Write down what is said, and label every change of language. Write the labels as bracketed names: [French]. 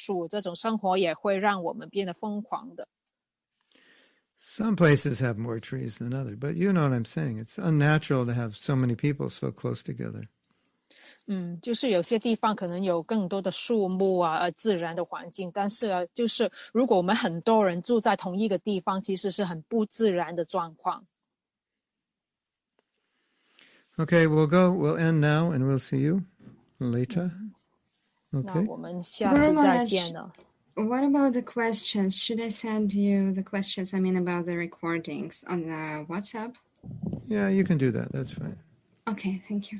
[Chinese] 那比如说在中国一些地方呢，有些人住在一些高楼100层的，就是很多地方也是100层的高楼住宅，都没有看到任何的树，这种生活也会让我们变得疯狂的。 [English] Some places have more trees than others, but you know what I'm saying. It's unnatural to have so many people so close together. [Chinese] 就是有些地方可能有更多的树木啊，自然的环境，但是就是如果我们很多人住在同一个地方，其实是很不自然的状况。 [English] Okay, we'll go. We'll end now and we'll see you later. Okay. [Chinese] 那我们下次再见了。 [English] What about the questions? Should I send you the questions? I mean, about the recordings on the WhatsApp? Yeah, you can do that. That's fine. Okay, thank you.